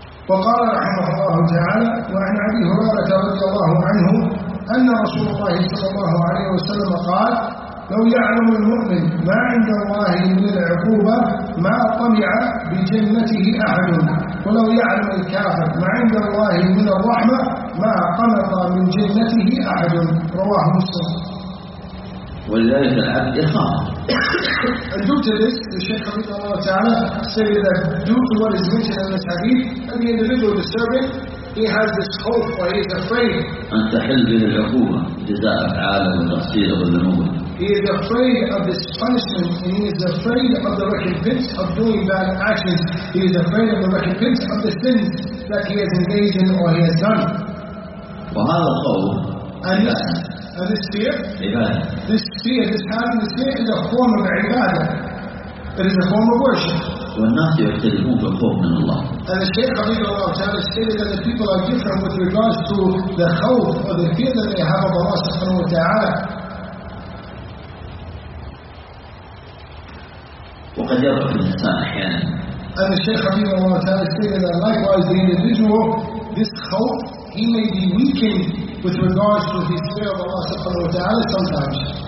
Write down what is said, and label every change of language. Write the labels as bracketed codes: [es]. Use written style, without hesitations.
[ar] وقال رحمه الله تعالى وعن أبي هريرة رضي الله عنه أن رسول الله صلى الله عليه وسلم قال لو يعلم المؤمن ما عند الله من العقوبة ما طمع بجنته أحد ولو يعلم الكافر ما عند الله من الرحمة ما قنط من جنته أحد رواه مسلم. ولذلك العبد يخاف. [en] And due to this, the Shaykh [ar] رضي الله تعالى [en] said that due to what is mentioned in this hadith, the individual, the servant, he has this hope or he is afraid. [ar] أن تحل به العقوبة جزاء أفعال وتقصير والذنوب. [en] He is afraid of this punishment, and he is afraid of the recompense of doing bad actions. He is afraid of the recompense of the sins that he has engaged in or he has done. [ar] وهذا الخوف [en] and this fear, [ar] عبادة. [en] This fear, this having this fear is a form of ibadah. It is a form of worship. [ar] والناس يختلفون في الخوف من الله. [en] And the Shaykh [ar] رضي الله تعالى [en] stated that the people are different with regards to the khawf or the fear that they have of Allah [ar] سبحانه وتعالى. وقد يرى الإنسان أحيانا. [en] And the Shaykh [ar] رضي الله تعالى [en] stated that likewise the individual, this khawf, he may be weakened with regards to his fear of Allah subhanahu wa ta'ala sometimes.